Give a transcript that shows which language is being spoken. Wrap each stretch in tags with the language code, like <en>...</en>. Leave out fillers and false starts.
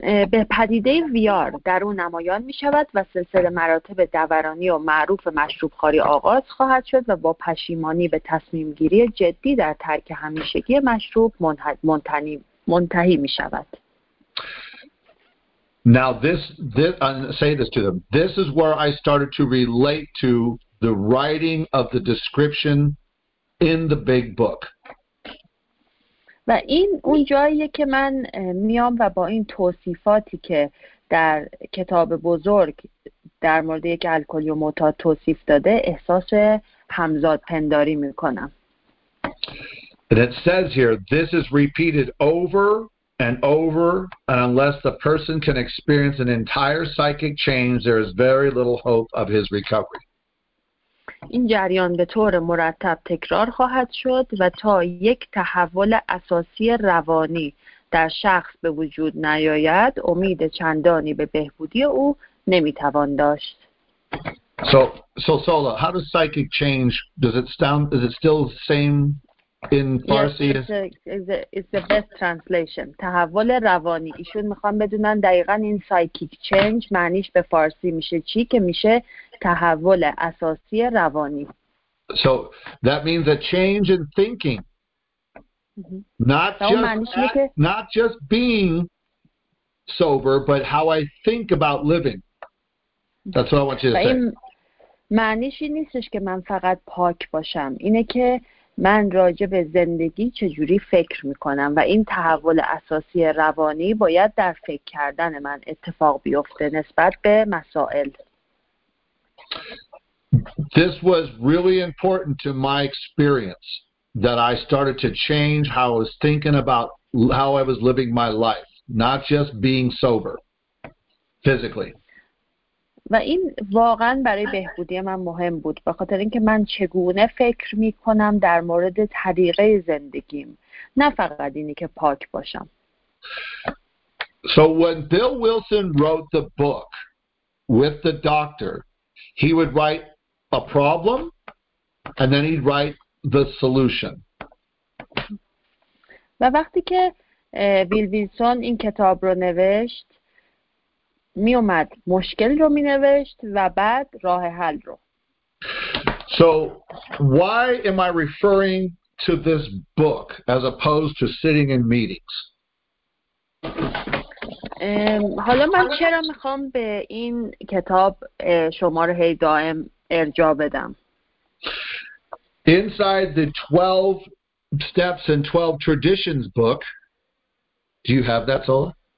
<fa>به پدیده ویار در او نمایان می شود و سلسله مراتب دورانی و معروف مشروب خواری آغاز خواهد شد و با پشیمانی به تصمیم گیری جدی در ترک همیشگی مشروب منتهی می شود.</fa> <en>Now this say this to them. This is where I started to relate to the writing of the description in the big book.</en> <fa>و این اون جاییه که من میام و با این توصیفاتی که در کتاب بزرگ در مورد یک الکلی و معتاد توصیف داده احساس همزادپنداری میکنم.</fa> <en>And it says here, this is repeated over and over, and unless the person can experience an entire psychic change, there is very little hope of his recovery.</en> <fa>این جریان به طور مرتب تکرار خواهد شد و تا یک تحول اساسی روانی در شخص به وجود نیاید، امید چندانی به بهبودی او نمیتوان داشت.</fa> <en>So Sola, how does psychic change, is it still the same in Farsi? Yes, it's the best translation.</en> <fa>تحول روانی. ایشون میخوان بدونن دقیقاً این</fa> <en>psychic change</en> <fa>معنیش به فارسی میشه چی، که میشه تحول اساسی روانی.</fa> <en>So that means a change in thinking. Not just being sober, but how I think about living. That's what I want you to say.</en> <fa>معنیش این نیستش که من فقط پاک باشم، اینه که من راجع به زندگی چجوری فکر میکنم، و این تحول اساسی روانی باید در فکر کردن من اتفاق بیفته نسبت به مسائل.</fa> <en>This was really important to my experience that I started to change how I was thinking about how I was living my life, not just being sober physically.</en> <fa>و این واقعا برای بهبودی من مهم بود، به خاطر اینکه من چگونه فکر می کنم در مورد طریقه زندگیم، نه فقط اینی که پاک باشم.</fa> <en>So when Bill Wilson wrote the book with the doctor, he would write a problem and then he'd write the solution.</en> <fa>و وقتی که بیل ویلسون این کتاب رو نوشت، می اومد مشکل رو می نوشت و بعد راه حل رو.</fa> <en>So why am I referring to this book as opposed to sitting in meetings?</en> <fa>حالا من چرا میخوام به این کتاب شما رو هی دائم ارجاع بدم؟</fa> <en>Inside the 12 steps and 12 traditions book, do you have that, Sola?</en>